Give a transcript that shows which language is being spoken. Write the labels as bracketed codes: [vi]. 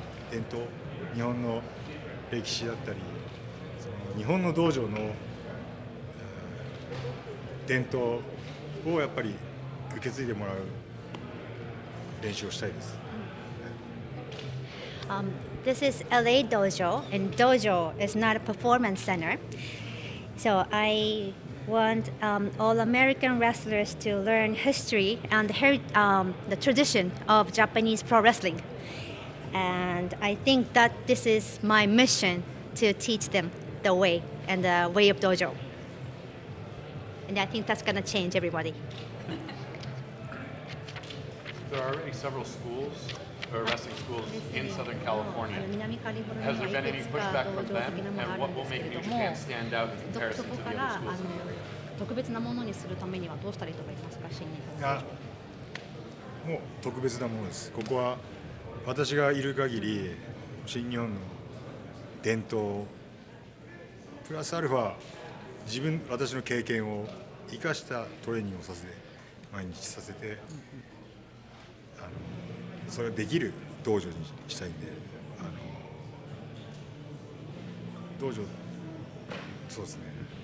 [ja] 伝統、日本の歴史だったり、その日本の道場の、伝統をやっぱり受け継いでもらう練習をしたいです。 [en] This is LA Dojo, and Dojo is not a performance center. So I... want all American wrestlers to learn history and the tradition of Japanese pro wrestling. And I think that this is my mission to teach them the way and the way of dojo. And I think that's going to change everybody. There are already several schools, or wrestling schools, in Southern California. Has there been any pushback from them? And what will make New Japan stand out in comparison to the other schools in the area? [ja] 特別なものにするためにはどうしたらいいと思いますか、新日本は。もう特別なものです。ここは私がいる限り、新日本の伝統プラスアルファ、自分私の経験を生かしたトレーニングをさせて、毎日させて、それができる道場にしたいんで、道場、そうですね。